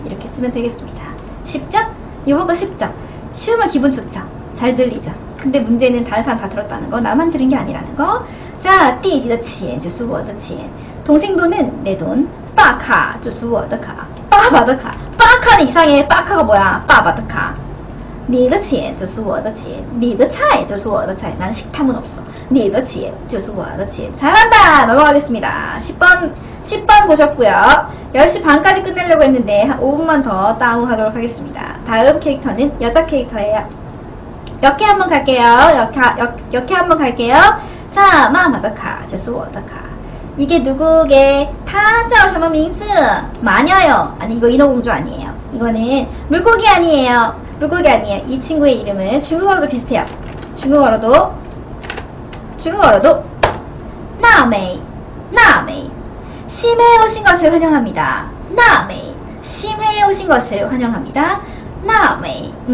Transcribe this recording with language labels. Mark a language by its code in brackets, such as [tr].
[ko] 이렇게 쓰면 되겠습니다. 쉽죠? 이거 쉽죠? 쉬우면 기분 좋죠? 잘 들리죠? 근데 문제는 다른 사람 다 들었다는 거, 나만 들은 게 아니라는 거. [zh] 자, 弟弟的钱就是我的钱. [ko] 동생 돈은 내 돈. [zh] 爸卡就是我的卡.爸爸的卡. [ko] 爸卡는 이상해. 爸卡가 뭐야? 爸爸的卡. [zh] 你的钱就是我的钱.你的菜就是我的菜. [ko] 난 식탐은 없어. [zh] 你的钱就是我的钱. [ko] 잘한다. 넘어가겠습니다. 10번 보셨고요. 10시 반까지 끝내려고 했는데 한 5분만 더 다운하도록 하겠습니다. 다음 캐릭터는 여자 캐릭터예요. 역캐 한번 갈게요. 역캐 한번 갈게요. [zh] 자, 마마더카,就是我的卡. [ko] 이게 누구게? 타자오 [zh] 什么名字? [ko] 마녀요. 아니, 이거 인어공주 아니에요. 이거는 물고기 아니에요. 물고기 아니에요. 이 친구의 이름은 중국어로도 비슷해요. 중국어로도 나메이. 나메이. 심해에 오신 것을 환영합니다. 나메이. 심해에 오신 것을 환영합니다. 나메이.